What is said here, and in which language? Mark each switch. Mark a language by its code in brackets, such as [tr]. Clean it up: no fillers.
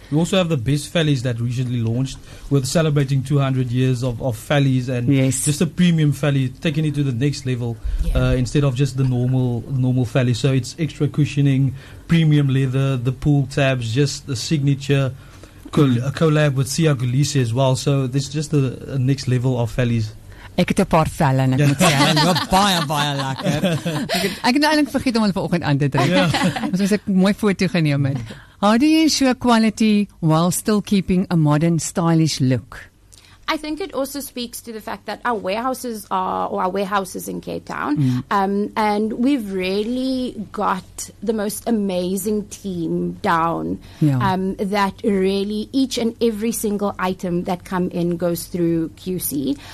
[en] We also have the best fellies that recently launched. We're celebrating 200 years of fellies and just a premium felly, taking it to the next level instead of just the normal felly. So it's extra cushioning, premium leather, the pool tabs, just the signature a collab with Sia Gulisi as well. So this is just the next level of fellies. [af] Ek het 'n paar velle en ek moet sê, hulle loop baie lekker. Ek het nou eintlik vergeet om hulle vanoggend aan te trek. Ons het 'n mooi foto geneem het. [en] How do you ensure quality while still keeping a modern, stylish look? I think it also speaks to the fact that our warehouses are, or our warehouses in Cape Town, and we've really got the most amazing team down that really each and every single item that come in goes through QC.